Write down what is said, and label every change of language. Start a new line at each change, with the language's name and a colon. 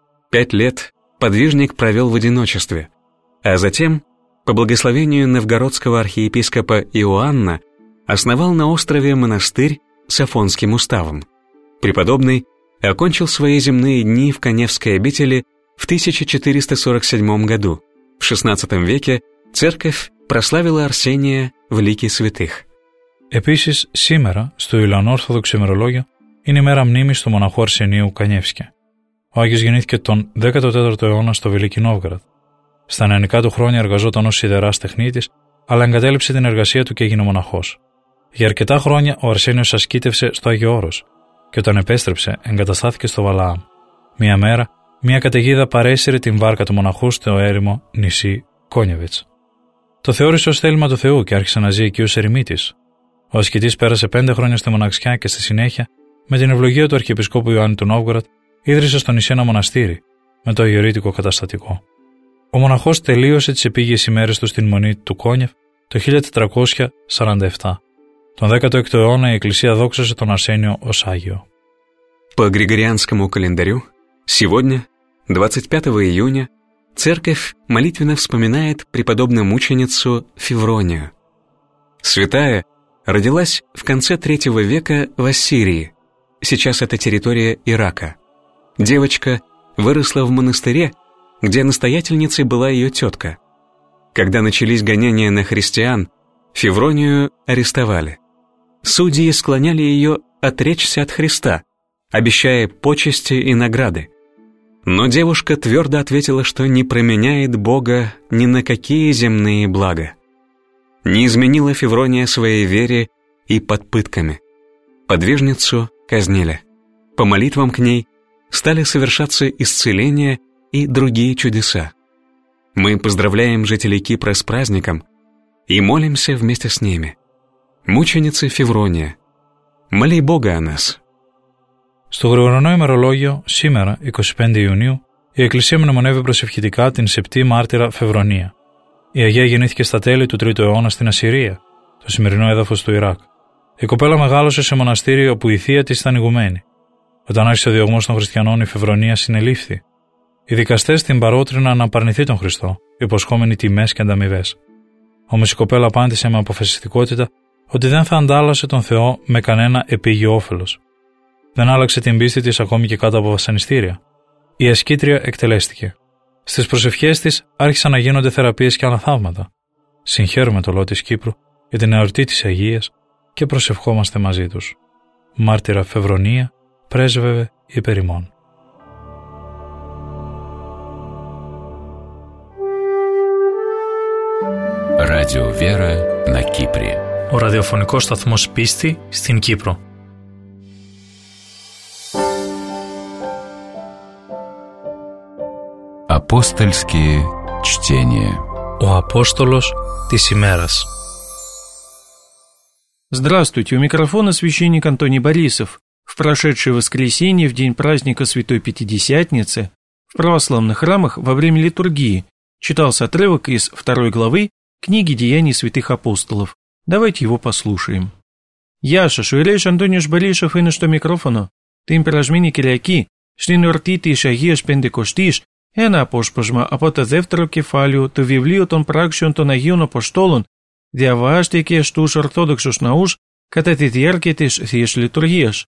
Russian: 5 лет подвижник провел в одиночестве, а затем, по благословению новгородского архиепископа Иоанна, основал на острове монастырь с Афонским уставом. Преподобный окончил свои земные дни в Каневской обители в 1447 году. В 16 веке церковь прославила Арсения в лике святых.
Greek: Επίσης, σήμερα, στο Ιουλιανόρθοδοξο ημερολόγιο, είναι η μέρα μνήμης του μοναχού Αρσενίου Κανιεύσκη. Ο Άγιος γεννήθηκε τον 14ο αιώνα στο Βελίκη Νόβγραδ. Στα νεανικά του χρόνια εργαζόταν ως σιδεράς τεχνίτης, αλλά εγκατέλειψε την εργασία του και έγινε μοναχός. Για αρκετά χρόνια ο Αρσένιος ασκήτευσε στο Άγιο Όρος και όταν επέστρεψε, εγκαταστάθηκε στο Βαλάαμ. Μία μέρα, μία καταιγίδα παρέσυρε την βάρκα του μοναχού στο έρημο νησί Κόνιεβιτς. Το θεώρησε ως θέλημα του Θεού και άρχισε να ζει εκεί ως ερημίτης. Ο ασκητής πέρασε 5 χρόνια στη μοναξιά και στη συνέχεια, με την ευλογία του Αρχιεπισκόπου Ιωάννη του Νόβγοραντ, ίδρυσε στο νησί ένα μοναστήρι με το αγιορείτικο καταστατικό. Ο μοναχός τελείωσε τις επίγειες ημέρες του στην μονή του Κόνιεβ το 1447. Τον 16ο αιώνα η Εκκλησία δόξασε τον Αρσένιο ως Άγιο.
Russian: По Григорианскому календарю, сегодня, 25 июня, церковь молитвенно вспоминает преподобную мученицу Февронию. Святая родилась в конце 3 века в Ассирии, сейчас это территория Ирака. Девочка выросла в монастыре, где настоятельницей была ее тетка. Когда начались гонения на христиан, Февронию арестовали. Судьи склоняли ее отречься от Христа, обещая почести и награды. Но девушка твердо ответила, что не променяет Бога ни на какие земные блага. Не изменила Феврония своей вере и под пытками. Подвижницу казнили. По молитвам к ней стали совершаться исцеления и другие чудеса. Мы поздравляем жителей Кипра с праздником и молимся вместе с ними. Мученицы Феврония, моли Бога о нас.
Greek: Στο γρηγορωνό ημερολόγιο, σήμερα, 25 Ιουνίου, Η Εκκλησία μνημονεύει προσευχητικά την Σεπτή Μάρτυρα Φευρονία. Η Αγία γεννήθηκε στα τέλη του 3ου αιώνα στην Ασσυρία, το σημερινό έδαφος του Ιράκ. Η κοπέλα μεγάλωσε σε μοναστήριο όπου η θεία της ήταν ηγουμένη. Όταν άρχισε ο διωγμός των χριστιανών, η Φευρονία συνελήφθη. Οι δικαστές την παρότριναν να απαρνηθεί τον Χριστό, υποσχόμενοι τιμές και ανταμοιβές. Όμως η κοπέλα απάντησε με αποφασιστικότητα ότι δεν θα αντάλλασε τον Θεό με κανένα επίγειο όφελος. Δεν άλλαξε την πίστη της ακόμη και κάτω από βασανιστήρια. Η ασκήτρια εκτελέστηκε. Στις προσευχές της άρχισαν να γίνονται θεραπείες και άλλα θαύματα. Συγχαίρουμε το λαό της Κύπρου για την εορτή της Αγίας και προσευχόμαστε μαζί τους. Μάρτυρα Φευρονία, πρέσβευε υπέρ ημών.
Russian: Ράδιο Βέρα, на Кипре.
Greek: Ο ραδιοφωνικός σταθμός πίστη στην Κύπρο.
Russian: Апостольские чтения.
Greek: Ο Апостолος της ημέρας.
Russian: Здравствуйте, у микрофона священник Антоний Борисов. В прошедшее воскресенье, в день праздника Святой Пятидесятницы, в православных храмах во время литургии читался отрывок из второй главы книги «Деяний святых апостолов». Давайте его послушаем.
Greek: Яша, шуэлэш Антониш Борисов и на что микрофону? Тим пражмини киряки, шли нуртити и шагиеш пендекоштиш, ένα απόσπασμα από το δεύτερο κεφάλαιο του βιβλίου των πράξεων των Αγίων Αποστόλων διαβάστηκε στους Ορθόδοξους Ναούς κατά τη διάρκεια της Θείας Λειτουργίας.